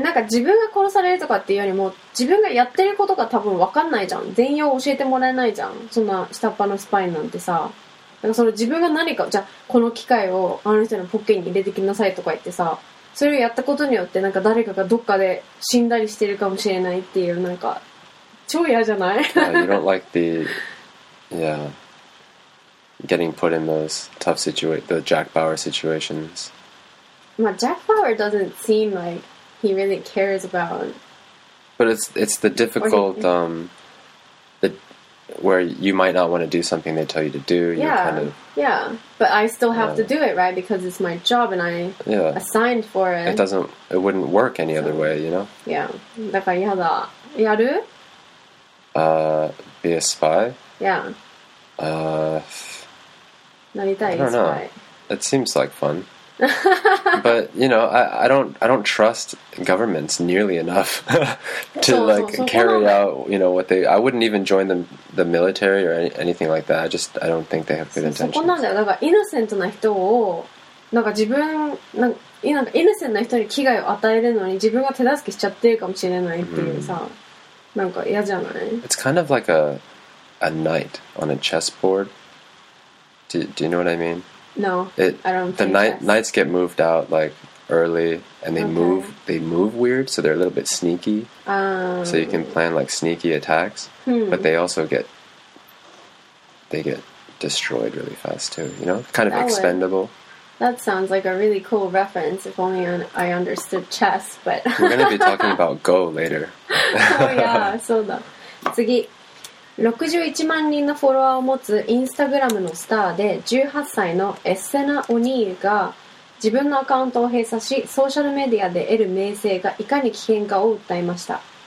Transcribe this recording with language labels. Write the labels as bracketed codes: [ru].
[ja] なんか自分が殺されるとかっていうよりも、自分がやってることが多分分かんないじゃん。全容教えてもらえないじゃん。そんな下っ端のスパイなんてさ。なんかその自分が何か、じゃあこの機械をあの人のポッケに入れてきなさいとか言ってさ。それをやったことによってなんか誰かがどっかで死んだりしてるかもしれないっていうなんか超嫌じゃない [en] you don't like the yeah getting put in those tough situations the Jack Bauer situations まあ Jack Bauer doesn't seem like he really cares about but it's the difficult where you might not want to do something they tell you to do. Yeah, but I still have to do it, right? Because it's my job and I assigned for it. It wouldn't work any other way, you know? [ja] Yeah, だから嫌だ。やる? [en] Be a spy? Yeah. [ja] なりたい, [en] I don't know. It seems like fun. But, you know, I don't trust governments nearly enough to, like, carry out, you know, what they... I wouldn't even join the military or anything like that. I don't think they have good intentions. [ja] そこなんだよ。だから、イノセントな人を、なんか自分、なんかイノセントな人に危害を与えるのに、自分が手助けしちゃってるかもしれないっていうさ、なんか嫌じゃない? [en] It's kind of like a knight on a chessboard. Do you know what I mean? No, I don't think the knights get moved out like early and they move weird so they're a little bit sneaky so you can plan like sneaky attacks but they also get destroyed really fast too you know kind of that expendable would, that sounds like a really cool reference if only I understood chess but we're going to be talking about Go later oh yeah, so da [ja] 次61万人のフォロワーを持つインスタグラムのスターで18歳のエッセナ・オニールが自分のアカウントを閉鎖しソーシャルメディアで得る名声がいかに危険かを訴えました